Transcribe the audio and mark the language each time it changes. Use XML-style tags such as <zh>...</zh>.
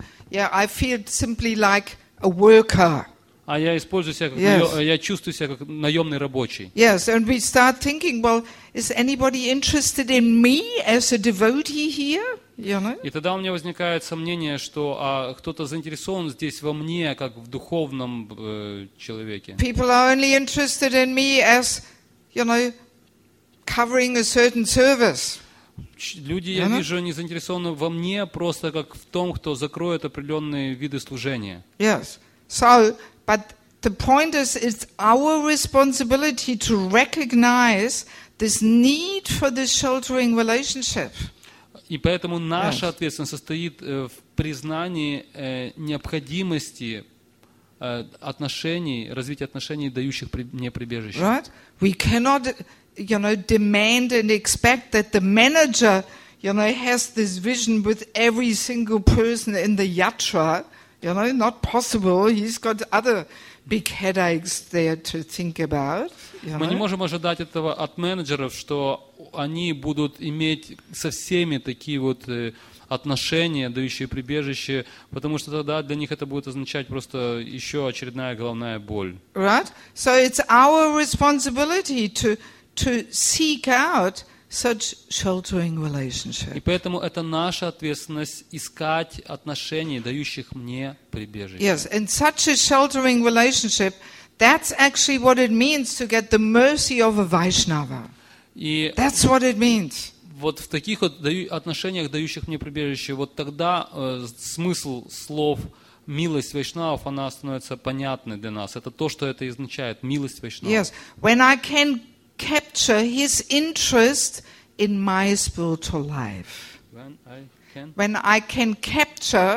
<en>I feel simply like a worker.</en> <ru>А я использую себя как я чувствую себя как наемный рабочий.</ru> <en>Yes, and we start thinking, well, is anybody interested in me as a devotee here? You know?</en> <ru>И тогда у меня возникает сомнение, что кто-то заинтересован здесь во мне, как в духовном человеке.</ru> <en>People are only interested in me as, you know, covering a certain service.</en> <ru>Люди, я вижу, они заинтересованы во мне просто как в том, кто закроет определенные виды служения.</ru> <en>Yes, so. But the point is, it's our responsibility to recognize this need for this sheltering relationship.</en> <ru>И поэтому наша ответственность состоит в признании необходимости отношений, развития отношений, дающих мне прибежище.</ru> <en>Right? We cannot, you know, demand and expect that the manager, you know, has this vision with every single person in the yatra. You know, not possible. He's got other big headaches there to think about.</en> <ru>Мы не можем ожидать этого от менеджеров, что они будут иметь со всеми такие вот отношения, дающие прибежище, потому что тогда для них это будет означать просто еще очередная головная боль.</ru> <en>Right? So it's our responsibility to seek out such sheltering relationship.</en> <ru>И поэтому это наша ответственность искать отношения, дающих мне прибежище.</ru> <en>Yes, and such a sheltering relationship, that's actually what it means to get the mercy of a Vaishnava.</en> <ru>И</ru> <en>that's what it means.</en> <ru>Вот в таких вот отношениях, дающих мне прибежище, вот тогда смысл слов милость Вайшнавов, она становится понятной для нас. Это то, что это означает, милость Вайшнавов.</ru> <en>Yes, when I can capture his interest in my spiritual life. When I can catch</en>